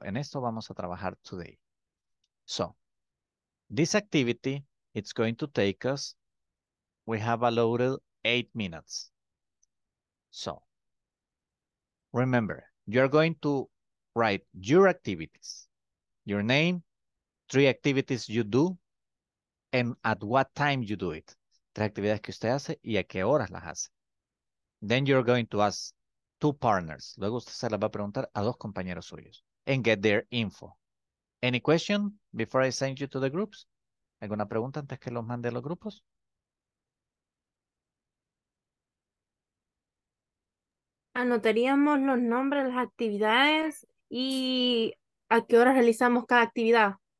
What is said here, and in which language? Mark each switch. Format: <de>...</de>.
<es>En esto vamos a trabajar</es> <en>today. So, this activity, it's going to take us, we have allotted 8 minutes. So, remember, you're going to write your activities, your name, 3 activities you do, and at what time you do it.</en> <es>3 actividades que usted hace y a qué horas las hace.</es> <en>Then you're going to ask 2 partners.</en> <es>Luego usted se las va a preguntar a 2 compañeros suyos.</es> <en>And get their info. Any question before I send you to the groups?</en> <es>¿Alguna pregunta antes que los mande a los grupos? ¿Anotaríamos los nombres, las actividades y a qué hora realizamos cada actividad?</es>